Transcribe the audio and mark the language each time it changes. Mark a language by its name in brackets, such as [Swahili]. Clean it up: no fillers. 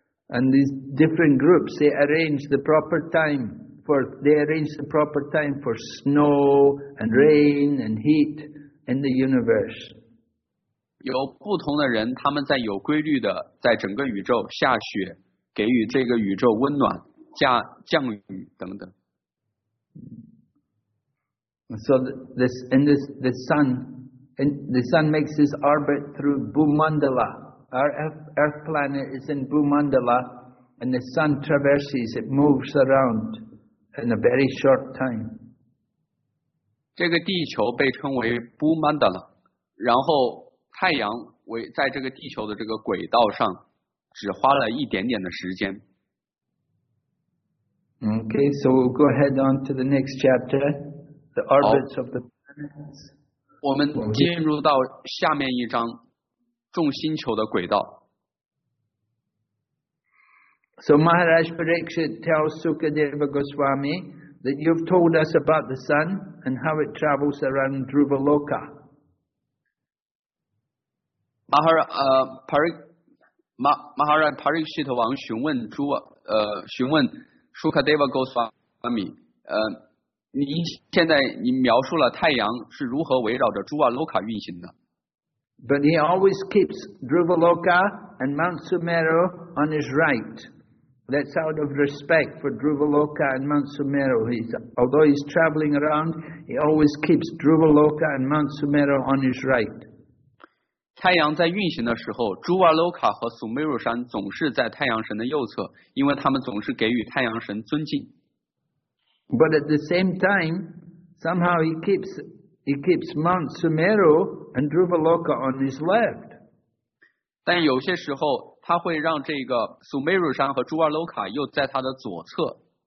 [English] And these different groups, they arrange the proper time for snow and rain and heat in the universe. [Chinese] 有不同的人，他们在有规律的在整个宇宙下雪，给予这个宇宙温暖，降雨等等。 [English] So the sun makes its orbit through Bhumandala. Our Earth planet is in Bhumandala, and the sun traverses. It moves around in a very short time. [Chinese] 这个地球被称为 Bhumandala， 然后太阳在这个地球的这个轨道上只花了一点点的时间。 [English] Okay, so we'll go ahead on to the next chapter, the orbits of the planets. [Chinese] 我们进入到下面一章，众星球的轨道。 [English] So Maharaj Pariksit tells Sukadeva Goswami that you've told us about the sun and how it travels around Dhruvaloka. [Chinese] Maharaj Pariksit 王询问 Sukadeva Goswami， 你描述了太阳是如何围绕着 Dhruvaloka 运行的。 [English] But he always keeps Dhruvaloka and Mount Sumeru on his right. That's out of respect for Dhruvaloka and Mount Sumeru. Although he's traveling around, he always keeps Dhruvaloka and Mount Sumeru on his right. [Chinese] 太阳在运行的时候，朱瓦洛卡和苏梅若山总是在太阳神的右侧，因为他们总是给予太阳神尊敬。 But at the same time, somehow he keeps Mount Sumeru and Dhruvaloka on his left. 但有些时候，他会让这个苏梅若山和朱瓦洛卡又在他的左侧。